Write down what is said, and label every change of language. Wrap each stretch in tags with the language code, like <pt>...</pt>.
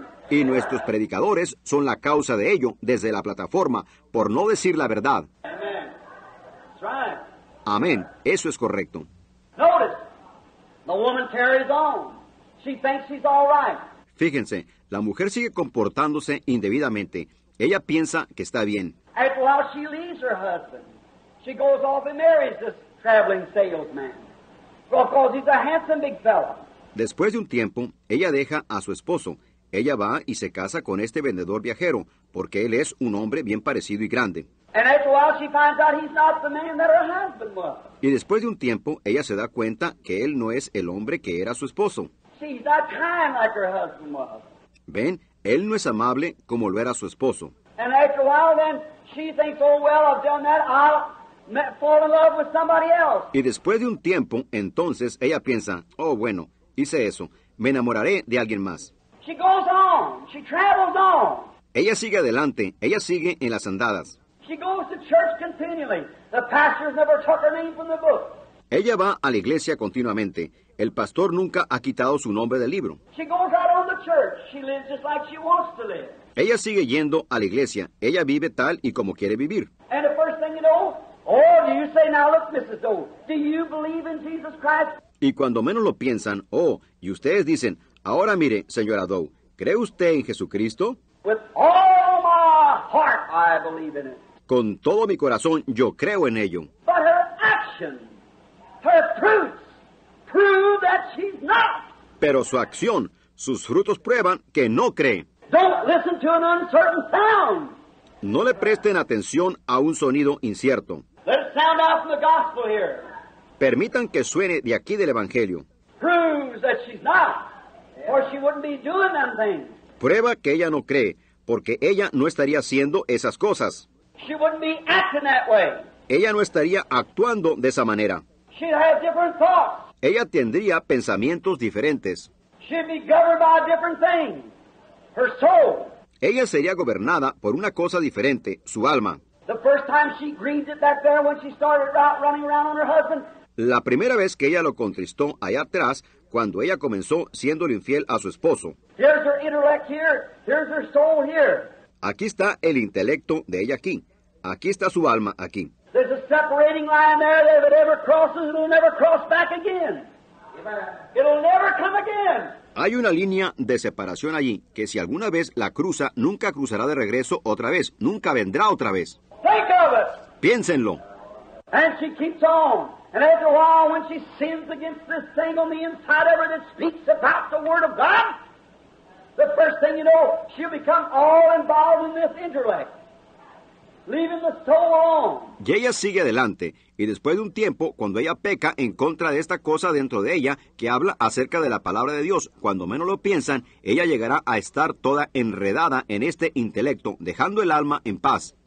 <es>Y nuestros predicadores son la causa de ello desde la plataforma, por no decir la verdad.</es> <en>Amen. That's right.</en> <es>Amén. Eso es correcto.</es> <en>Notice, the woman carries on. She thinks she's all right.</en> <es>Fíjense, la mujer sigue comportándose indebidamente. Ella piensa que está bien.</es> <en>While she leaves her husband, she goes off and marries this traveling salesman. Well, because he's a handsome big fellow.</en> <es>Después de un tiempo, ella deja a su esposo. Ella va y se casa con este vendedor viajero, porque él es un hombre bien parecido y grande.</es> <en>And after a while, she finds out he's not the man that her husband was.</en> <es>Y después de un tiempo, ella se da cuenta que él no es el hombre que era su esposo.</es> <en>She's not kind like her husband was.</en> <es>Ven, él no es amable como lo era su esposo.</es> <en>And after a while, then she thinks, oh, well, I've done that. I'll fall in love with somebody else.</en> <es>Y después de un tiempo, entonces, ella piensa, oh, bueno, hice eso. Me enamoraré de alguien más.</es> <en>She goes on. She travels on.</en> <es>Ella sigue adelante. Ella sigue en las andadas.</es> <en>She goes to church continually. The pastor's never took her name from the book.</en> <es>Ella va a la iglesia continuamente. El pastor nunca ha quitado su nombre del libro.</es> <en>She goes out on the church. She lives just like she wants to live.</en> <es>Ella sigue yendo a la iglesia. Ella vive tal y como quiere vivir.</es> <en>And the first thing you know, oh, do you say, now look, Mrs. Doe, do you believe in Jesus Christ?</en> <es>Y cuando menos lo piensan, oh, y ustedes dicen, ahora mire, señora Doe, ¿cree usted en Jesucristo?</es> <en>With all my heart, I believe in it.</en> <es>Con todo mi corazón, yo creo en ello.</es> <en>But her actions, her fruits, prove that she's not.</en> <es>Pero su acción, sus frutos prueban que no cree.</es> <en>Don't listen to an uncertain sound.</en> <es>No le presten atención a un sonido incierto.</es> <en>Let it sound out from the gospel here.</en> <es>Permitan que suene de aquí del Evangelio.</es> <en>Proves that she's not, or she wouldn't be doing them things.</en> <es>Prueba que ella no cree, porque ella no estaría haciendo esas cosas.</es> <en>She wouldn't be acting that way.</en> <es>Ella no estaría actuando de esa manera.</es> <en>She'd have different thoughts.</en> <es>Ella tendría pensamientos diferentes.</es> <en>She'd be governed by different things. Her soul.</en> <es>Ella sería gobernada por una cosa diferente, su alma.</es> <en>The first time she grieved it back there when she started out running around on her husband.</en> <es>La primera vez que ella lo contristó allá atrás, cuando ella comenzó siendo infiel a su esposo.</es> <en>Here's her intellect here. Here's her soul here.</en> <es>Aquí está el intelecto de ella aquí. Aquí está su alma aquí.</es> <en>There's a separating line there that if it ever crosses, it'll never cross back again. It'll never come again.</en> <es>Hay una línea de separación allí, que si alguna vez la cruza, nunca cruzará de regreso otra vez, nunca vendrá otra vez.</es> <en>Think of it.</en> <es>Piénsenlo.</es> <en>And she keeps on. And after a while, when she sins against this thing on the inside of her that speaks about the Word of God, the first thing you know, she'll become all involved in this intellect, leaving the soul on.</en> <es>Y ella sigue adelante, y después de un tiempo, cuando ella peca en contra de esta cosa dentro de ella, que habla acerca de la palabra de Dios, cuando menos lo piensan, ella llegará a estar toda enredada en este intelecto, dejando el alma en paz.</es>